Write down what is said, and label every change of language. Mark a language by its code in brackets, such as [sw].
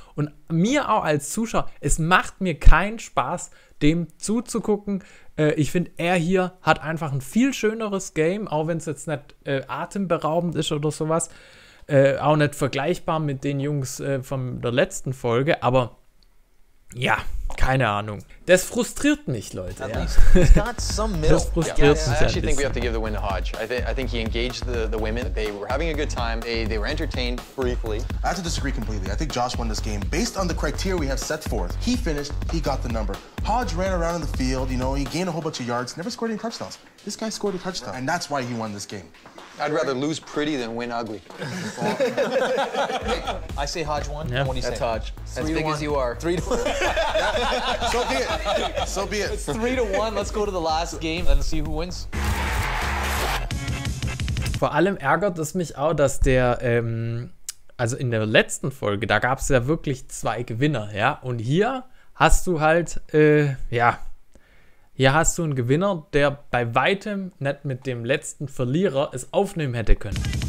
[de] Und mir auch als Zuschauer, es macht mir keinen Spaß, dem zuzugucken. Ich finde, er hier hat einfach ein viel schöneres Game, auch wenn es jetzt nicht atemberaubend ist oder sowas. auch nicht vergleichbar mit den Jungs von der letzten Folge, aber ja, keine Ahnung. Das frustriert mich, Leute. Das frustriert mich. [en] I actually think we have to give the win to Hodge. I think he engaged the women. They were having a good time. They were entertained briefly. I have to disagree completely. I think Josh won this game based on the criteria we have set forth. He finished, he got the number. Hodge ran around in the field, you know, he gained a whole bunch of yards, never scored any touchdowns. This guy scored a touchdown, and that's why he won this game. I'd rather lose pretty than win ugly. I say Hodge won. Yeah. What do you say? That's Hodge. As big as you are. 3-1. So be it. So be it. It's 3-1. Let's go to the last game and see who wins. [de] Vor allem ärgert es mich auch, dass der, also in der letzten Folge, da gab es ja wirklich zwei Gewinner, ja. Und hier hast du halt, hier hast du einen Gewinner, der bei weitem nicht mit dem letzten Verlierer es aufnehmen hätte können.